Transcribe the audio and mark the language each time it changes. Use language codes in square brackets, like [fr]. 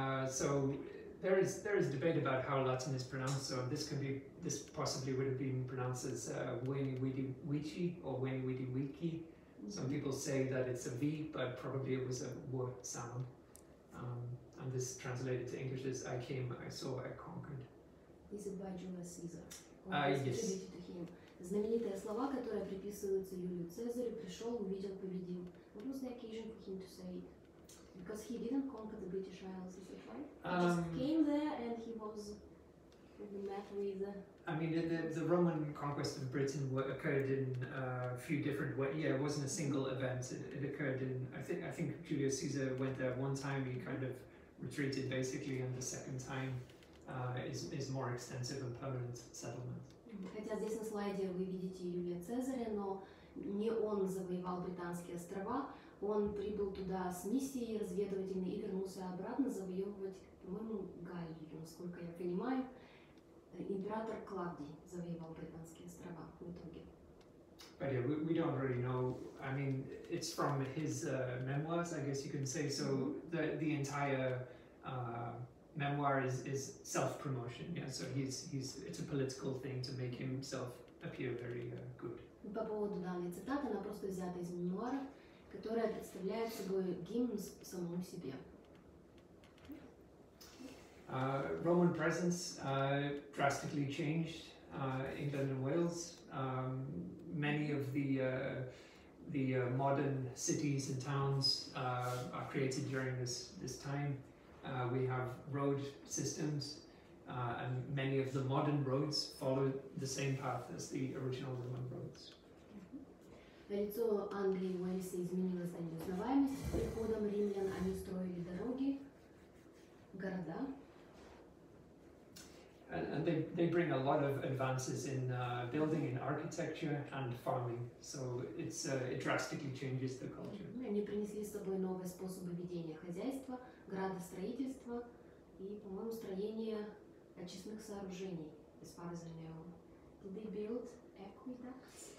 [en] So there is debate about how Latin is pronounced. So this possibly would have been pronounced as Wini Widi Wici or Wini Widi Wiki. Some people say that it's a V, but probably it was a W sound. And this translated to English as I came, I saw, I conquered. Is it by Julius Caesar? Yes. [ru] Знаменитые слова, которые приписываются Юлию Цезарю, пришел, увидел, победил. [en] What was the occasion for him to say it? Because he didn't conquer the British Isles, is that right? He just came there and he was met with... I mean, the Roman conquest of Britain occurred in a few different ways. Yeah, it wasn't a single event. It occurred in... I think Julius Caesar went there one time, he kind of retreated basically, and the second time is more extensive and permanent settlement. [ru] Хотя здесь на слайде вы видите Юлия Цезаря, но не он завоевал Британские острова, он прибыл туда с миссией разведывательной и вернулся обратно завоевывать, по-моему, Галлию, насколько я понимаю. Император Клавдий завоевал Британские острова в итоге. [en] But yeah, we don't really know. I mean, it's from his memoirs, I guess you can say. So the entire memoir is self-promotion, yeah, so he's it's a political thing to make himself appear very good. [ru] По поводу данной цитаты, она просто взята из мемуаров, которая представляет собой гимн самому себе. [en] Roman presence drastically changed England and Wales. Many of the modern cities and towns are created during this time. We have road systems, and many of the modern roads follow the same path as the original Roman roads. [ru] Лицо Англии и Уэльса изменилось на неузнаваемость с приходом римлян. Они строили дороги, города. [en] And they bring a lot of advances in building, in architecture, and farming. So it drastically changes the culture. [ru] Они принесли с собой новые способы ведения хозяйства, градостроительства и, по-моему, строение очистных сооружений. [en] As far as I know, did they build aqueducts?